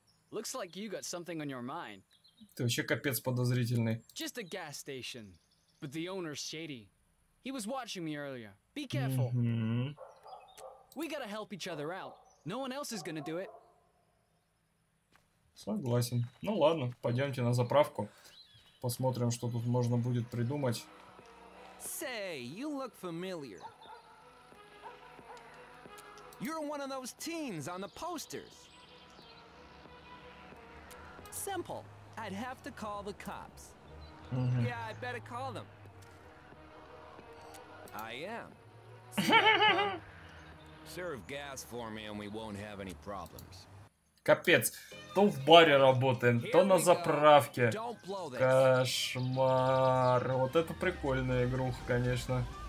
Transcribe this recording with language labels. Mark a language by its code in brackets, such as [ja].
[en] Looks like you got something on your mind. [ru] Ты вообще капец подозрительный. [en] Just a gas station. But the owner's shady. He was watching me earlier. Be careful. Mm-hmm. We gotta help each other out. No one else is gonna do it. [ru] Согласен. Ну ладно, пойдемте на заправку. Посмотрим, что тут можно будет придумать. [en] Say, you look familiar. You're one of those teens on the posters. Simple. I'd have to call the cops. Mm-hmm. Yeah, I better call them. I am. Serve gas for me and we won't have any problems. [ru] Капец. То в баре работаем, то на заправке. Кошмар. Вот это прикольная игруха, конечно.